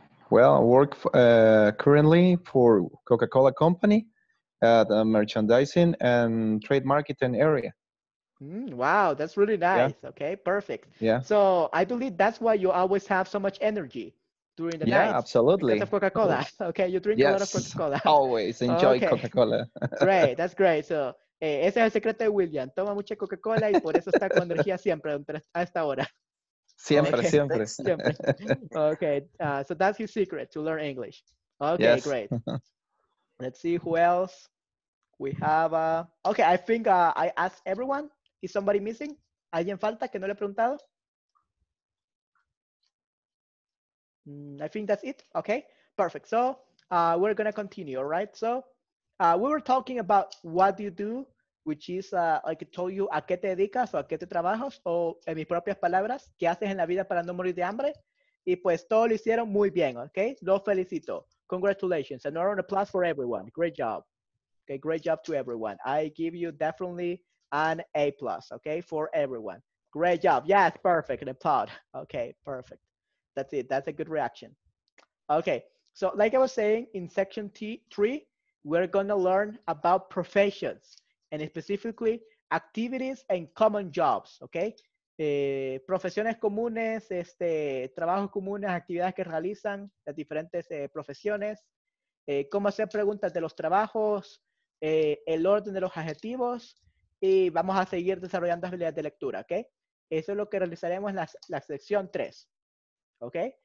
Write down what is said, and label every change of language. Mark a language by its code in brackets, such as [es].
[en] Well, I work currently for Coca-Cola company at the merchandising and trade marketing area. Wow, that's really nice. Yeah. Okay, perfect. Yeah. So I believe that's why you always have so much energy during the night. Yeah, absolutely. Because of Coca-Cola. Okay, you drink a lot of Coca-Cola. Always enjoy Coca-Cola. Great, that's great. So, [es] ese es el secreto de William. Toma mucha Coca-Cola y por eso está con energía siempre a esta hora. Siempre, okay. Siempre. Siempre. [en] Okay, so that's his secret to learn English. Okay, great. Let's see who else. We have a, okay, I think I asked everyone. Is somebody missing? [es] ¿Alguien falta que no le he preguntado? [en] I think that's it, okay? Perfect, so we're gonna continue, all right? So we were talking about what you do, which is, like I told you, [es] a qué te dedicas o a qué te trabajas, o en mis propias palabras, qué haces en la vida para no morir de hambre. Y pues todo lo hicieron muy bien, okay? Lo felicito. [en] Congratulations, and another applause for everyone. Great job. Okay, great job to everyone. I give you definitely an A+, okay, for everyone. Great job. Yes, perfect. An applaud. Okay, perfect. That's it. That's a good reaction. Okay, so like I was saying, in section three, we're going to learn about professions and specifically activities and common jobs, okay? [es] Profesiones comunes, trabajos comunes, actividades que realizan las diferentes profesiones, cómo hacer preguntas de los trabajos, el orden de los adjetivos, y vamos a seguir desarrollando habilidades de lectura, ¿ok? Eso es lo que realizaremos en la sección 3, ¿ok?